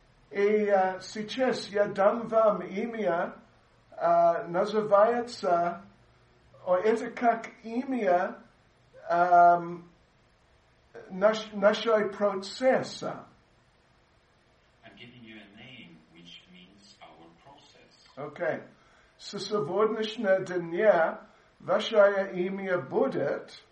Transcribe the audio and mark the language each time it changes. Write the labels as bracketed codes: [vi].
[ru] И сейчас я дам вам имя, называется, это как имя нашего процесса. [en] I'm giving you a name which means our process. Okay. [ru] Со сегодняшнего дня ваше имя будет...